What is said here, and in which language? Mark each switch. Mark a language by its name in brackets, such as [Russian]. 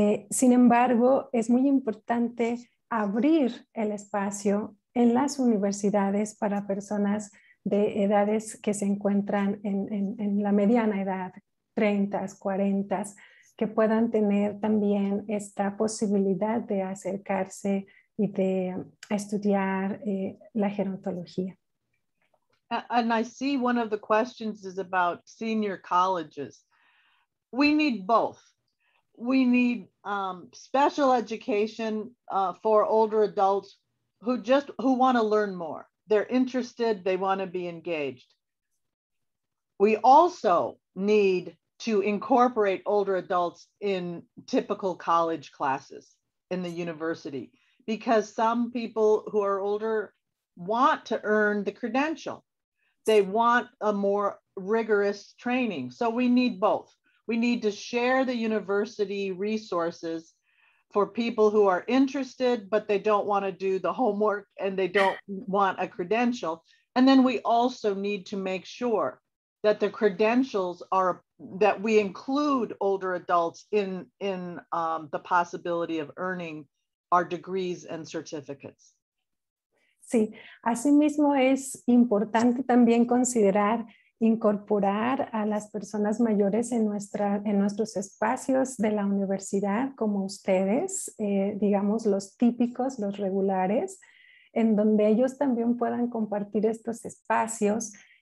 [Spanish] Sin embargo, es muy importante abrir el espacio en las universidades para personas de edades que se encuentran en la mediana edad, 30s, 40s, que puedan tener también esta posibilidad de acercarse y de estudiar la gerontología. [English] And I see one of the questions is about senior colleges. We need both. We need special education for older adults who want to learn more. They're interested, they want to be engaged. We also need to incorporate older adults in typical college classes in the university, because some people who are older want to earn the credential. they want a more rigorous training. So we need both. We need to share the university resources for people who are interested, but they don't want to do the homework and they don't want a credential. And then we also need to make sure that the credentials are, that we include older adults in the possibility of earning our degrees and certificates. [Spanish] Sí, asimismo es importante también considerar incorporar a las personas mayores en nuestros espacios de la universidad como ustedes, digamos los típicos, los regulares, en donde ellos también puedan compartir estos espacios